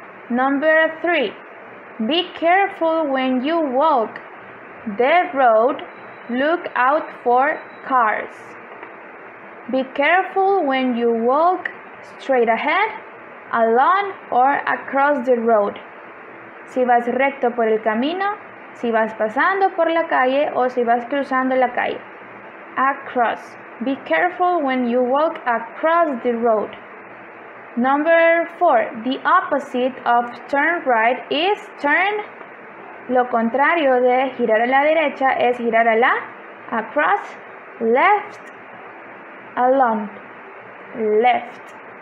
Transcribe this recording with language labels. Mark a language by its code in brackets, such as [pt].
[en] Number 3. Be careful when you walk the road. Look out for cars. Be careful when you walk straight ahead, alone, or across the road. [es] Si vas recto por el camino, si vas pasando por la calle o si vas cruzando la calle. [en] Across. Be careful when you walk across the road. Number 4. The opposite of turn right is turn. [es] Lo contrario de girar a la derecha es girar a la. [en] Across. Left. Along. Left.